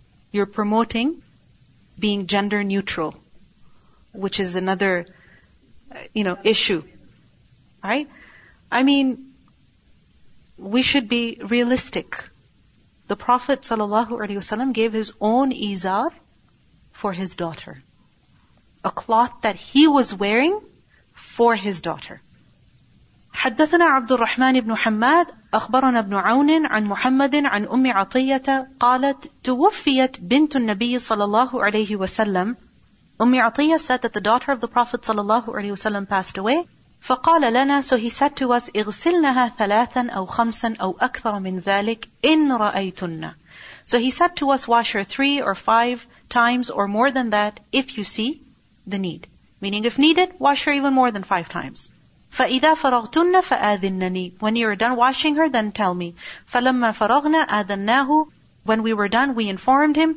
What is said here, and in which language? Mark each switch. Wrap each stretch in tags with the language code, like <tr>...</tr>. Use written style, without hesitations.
<en>You're promoting being gender neutral, which is another, you know, issue. Right? I mean, we should be realistic. The Prophet ﷺ gave his own izar for his daughter. A cloth that he was wearing for his daughter.</en> <ar>حدثنا عبد الرحمن بن حماد أخبرنا ابن عون عن محمد عن أم عطية قالت توفيت بنت النبي صلى الله عليه وسلم.</ar> <en>أم عطية said that the daughter of the Prophet</en> <ar>صلى الله عليه وسلم</ar> <en>passed away.</en> <ar>فقال لنا,</ar> <en>so he said to us,</en> <ar>اغسلنها ثلاثا أو خمسا أو أكثر من ذلك إن رأيتنا.</ar> <en>So he said to us, wash her three or five times or more than that if you see the need. Meaning if needed, wash her even more than five times.</en> <ar>فَإِذَا فَرَغْتُنَّ فَآذِنَّنِي.</ar> <en>When you are done washing her, then tell me.</en> <ar>فَلَمَّا فَرَغْنَا آذَنَّاهُ.</ar> <en>When we were done, we informed him.</en>